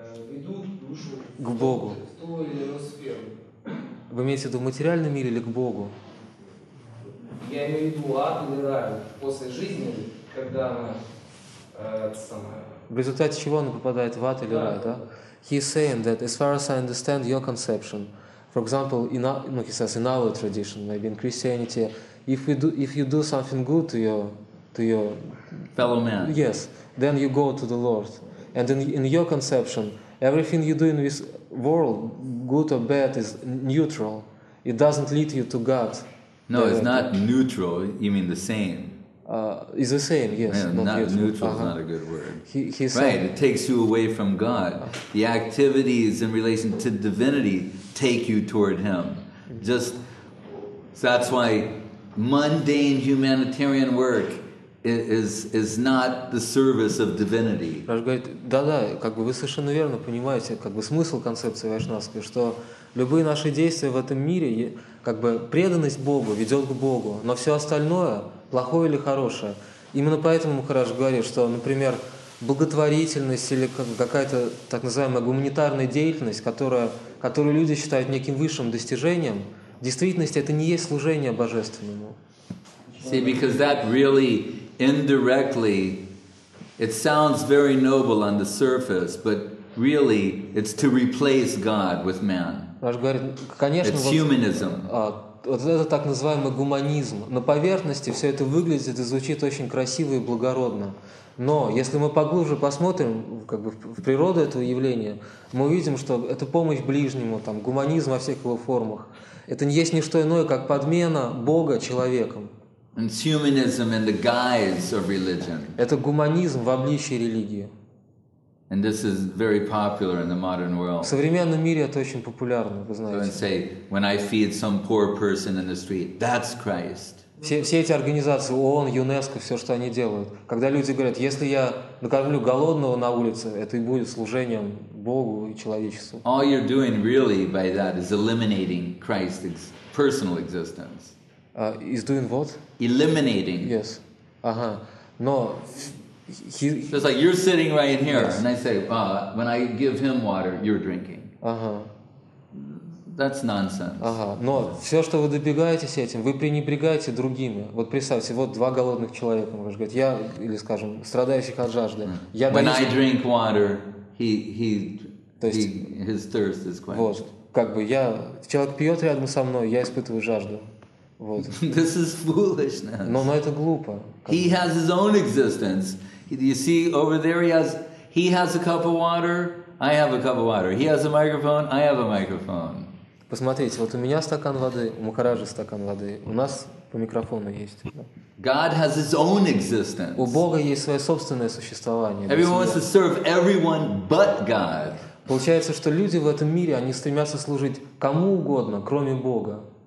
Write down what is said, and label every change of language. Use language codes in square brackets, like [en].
[ru] ведут душу к Богу. В ту или иную сферу. Вы имеете в виду в материальном мире или к Богу? Я имею в виду ад или рай. После жизни, когда она В результате чего она попадает в ад или рай, да? [en] He is saying that, as far as I understand your conception, for example, in our tradition, maybe in Christianity, if you do something good to your fellow man, yes, then you go to the Lord. And in your conception, everything you do in this world, good or bad, is neutral. It doesn't lead you to God. No, directly. It's not neutral. You mean the same. Is the same, yes. Yeah, not neutral is not a good word. He's right, saying, it takes you away from God. The activities in relation to divinity take you toward Him. Just so that's why mundane humanitarian work is not the service of divinity. [ru] Раш говорит, да-да, как бы вы совершенно верно понимаете, как бы смысл концепции вайшнавской, что любые наши действия в этом мире, как бы преданность Богу ведет к Богу, но все остальное плохое или хорошее. Именно поэтому Махарадж говорит, что, например, благотворительность или какая-то так называемая гуманитарная деятельность, которую люди считают неким высшим достижением, в действительности это не есть служение Божественному. [en] See, because that really indirectly, it sounds very noble on the surface, but really it's to replace God with man. [ru] Махарадж говорит, конечно, [en] it's humanism. [ru] Вот это так называемый гуманизм. На поверхности все это выглядит и звучит очень красиво и благородно. Но если мы поглубже посмотрим как бы, в природу этого явления, мы увидим, что это помощь ближнему, там, гуманизм во всех его формах. Это не есть ни что иное, как подмена Бога человеком. [en] It's humanism in the guise of religion. [ru] Это гуманизм в обличии религии. [en] And this is very popular in the modern world. [ru] В современном мире это очень популярно, вы знаете. [en] So and say, when I feed some poor person in the street, that's Christ. [ru] Все эти организации, ООН, ЮНЕСКО, все, что они делают, когда люди говорят, если я накормлю голодного на улице, это и будет служением Богу и человечеству. [en] All you're doing really by that is eliminating Christ's personal existence. Is doing what? Eliminating. Yes. [ru] Ага. Но [en] so it's like you're sitting right here, yes. And I say, when I give him water, you're drinking. Uh-huh. That's nonsense. Ага. [ru] Но все, что вы добегаетесь этим, вы пренебрегаете другими. Вот представьте, вот два голодных человека, можно сказать, я или скажем, страдающих от жажды. Я [en] when [ru] даю... [en] I drink water, his thirst is quenched. [ru] Вот, как бы я человек пьет рядом со мной, я испытываю жажду. Вот. [en] This is foolishness. [ru] Но это глупо. [en] He has his own existence. You see, over there he has a cup of water, I have a cup of water. He has a microphone, I have a microphone. [ru] Посмотрите, вот у меня стакан воды, у Махараджи стакан воды, у нас по микрофону есть. [en] God has his own existence. [ru] У Бога есть свое собственное существование. [en] Everyone wants to serve everyone but God. [ru] Получается, что люди в этом мире, они стремятся служить кому угодно, кроме Бога.